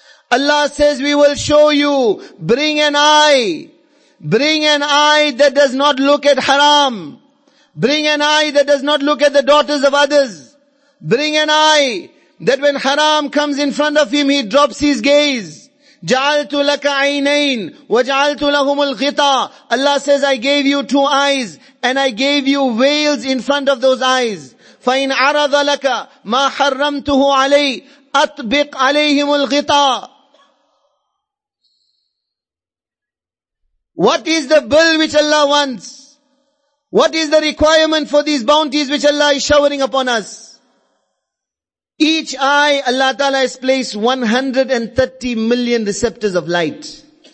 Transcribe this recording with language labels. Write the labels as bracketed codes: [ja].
[en] Allah says, we will show you, bring an eye that does not look at haram, bring an eye that does not look at the daughters of others, bring an eye that when haram comes in front of him, he drops his gaze. [ar] جَعَلْتُ لَكَ عَيْنَيْنِ وَجَعَلْتُ لَهُمُ الْغِطَى. [en] Allah says, I gave you 2 eyes and I gave you veils in front of those eyes. [ar] فَإِنْ عَرَضَ لَكَ مَا حَرَّمْتُهُ عَلَيْهِ أطبق عليهم الغطاء. [en] What is the bill which Allah wants? What is the requirement for these bounties which Allah is showering upon us? Each eye, Allah Ta'ala has placed 130 million receptors of light.